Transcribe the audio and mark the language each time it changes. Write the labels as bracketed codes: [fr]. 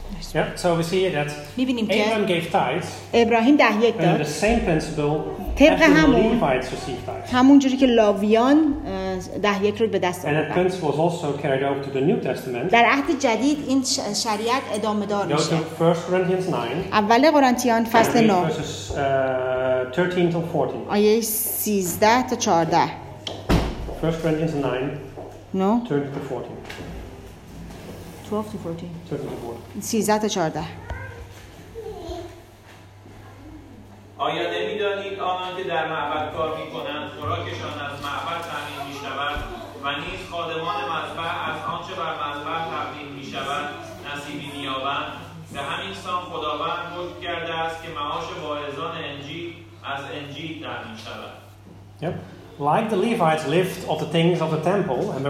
[en] Yeah, so we see that Abraham gave tithes. [fa] ابراهیم ده یک داد. [en] And the same principle [fa] طبق همون [en] Levites received tithes. [fa] همون جوری که لاویان ده یک رو به دست آوردن. [en] And the principle was also carried over to the New Testament. [fa] در عهد جدید این شریعت ادامه دار میشه. [en] Go to 1 Corinthians 9. [fa] اول قرنتیان فصل 9. [en] Verses 13 to 14. [fa] آیه 13 تا 14. [en] 1 Corinthians 9. No. 13 to 14. 12 to 14. 13 to 14. 13 to 14. [fa] آیا نمی‌دانید آنان که در معبد کار می‌کنند خوراکشان از معبد تأمین می‌شود و نیز خادمان مذبح از آنچه بر مذبح تأمین می‌شود نصیبی می‌یابند؟ به همین سان خداوند حکم کرده است که معاش واعظان انجیل از انجیل تأمین شود. [en] Yep. Like the Levites lived of the things of the temple and the